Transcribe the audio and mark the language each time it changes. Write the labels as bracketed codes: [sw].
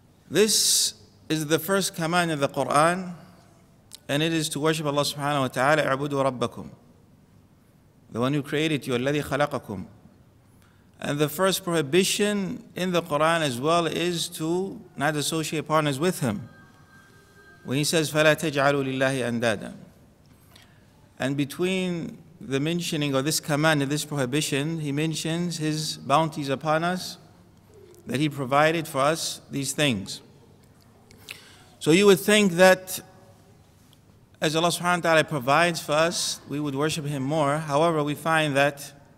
[en] This is the first command of the Quran, and it is to worship Allah subhanahu wa ta'ala, [ar] اعْبُدُوا رَبَّكُمْ, [en] the one who created you, [ar] الَّذِي خَلَقَكُمْ. [en] And the first prohibition in the Quran as well is to not associate partners with Him. When He says, [ar] فَلَا تَجْعَلُوا لِلَّهِ أَنْدَادًا. [en] And between the mentioning of this command and this prohibition, He mentions His bounties upon us, that He provided for us these things. So you would think that as Allah subhanahu wa ta'ala provides for us, we would worship Him more. However, we find that